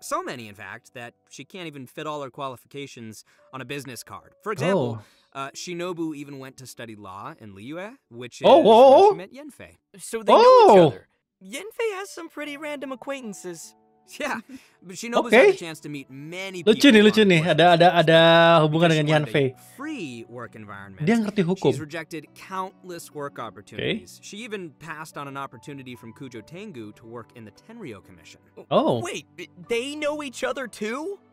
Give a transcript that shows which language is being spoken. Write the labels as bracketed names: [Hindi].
[English] So many, in fact, that she can't even fit all her qualifications on a business card. For example, Shinobu even went to study law in Liyue, which is where she met Yenfei. So they know each other. Yenfei has some pretty random acquaintances. Yeah, but Shinobu's had a chance to meet many people. [Indonesian] Lucu nih. Ada hubungan dengan Yanfei. [English] Free work environment. [Indonesian] Dia ngerti hukum. [English] She's rejected countless work opportunities. Okay. She even passed on an opportunity from Kujo Tengu to work in the Tenryo Commission. Wait, they know each other too?